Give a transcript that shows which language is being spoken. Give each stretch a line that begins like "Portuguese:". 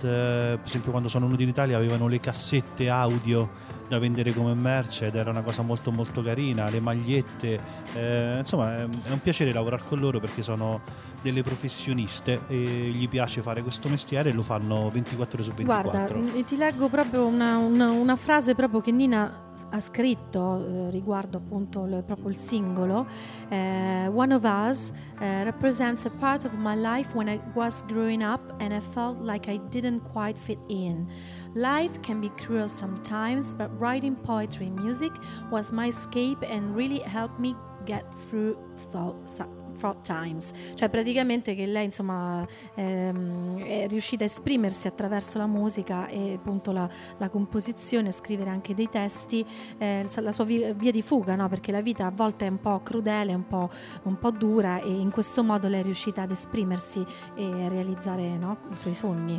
Italian: Per esempio, quando sono venuti in Italia avevano le cassette audio da vendere come merce, ed era una cosa molto molto carina, le magliette. Insomma, è un piacere lavorare con loro, perché sono delle professioniste e gli piace fare questo mestiere, e lo fanno 24 ore su 24. Guarda, e ti leggo proprio una frase proprio che Nina ha scritto riguardo appunto proprio il singolo.
English: One of Us represents a part of my life when I was growing up and I felt like I didn't quite fit in. Life can be cruel sometimes, but writing poetry and music was my escape and really helped me get through fraught times.
Italian: Cioè, praticamente che lei, insomma, è riuscita a esprimersi attraverso la musica e appunto la composizione, a scrivere anche dei testi, la sua via di fuga, no? Perché la vita a volte è un po' crudele, un po' dura, e in questo modo lei è riuscita ad esprimersi e a realizzare, no, i suoi sogni.